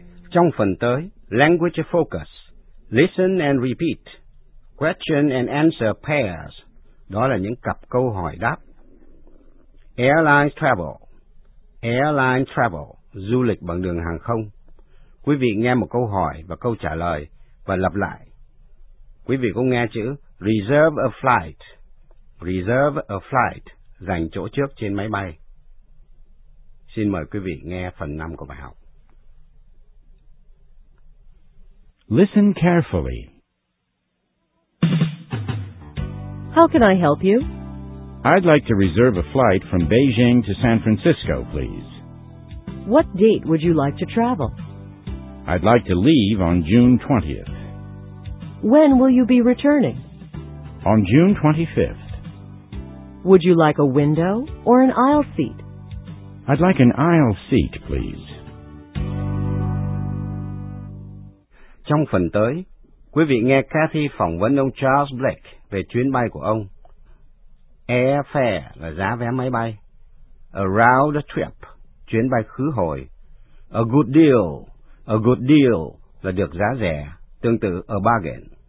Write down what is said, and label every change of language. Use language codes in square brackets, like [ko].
[vi] Trong phần tới, language focus. [en] Listen and repeat. Question and answer pairs. [vi] Đó là những cặp câu hỏi đáp. [en] Airline travel. Airline travel. [vi] Du lịch bằng đường hàng không. Quý vị nghe một câu hỏi và câu trả lời và lặp lại. Quý vị cũng nghe chữ reserve a flight. Reserve a flight, dành chỗ trước trên máy bay. Xin mời quý vị nghe phần 5 của bài học. [en] Listen carefully. How can I help you? I'd like to reserve a flight from Beijing to San Francisco, please. What date would you like to travel? I'd like to leave on June 20th. When will you be returning? On June 25th. Would you like a window or an aisle seat? I'd like an aisle seat, please. [vi] Trong phần tới, quý vị nghe Cathy phỏng vấn ông Charles Blake về chuyến bay của ông. Airfare là giá vé máy bay. A round trip, chuyến bay khứ hồi. A good deal là được giá rẻ, tương tự a bargain.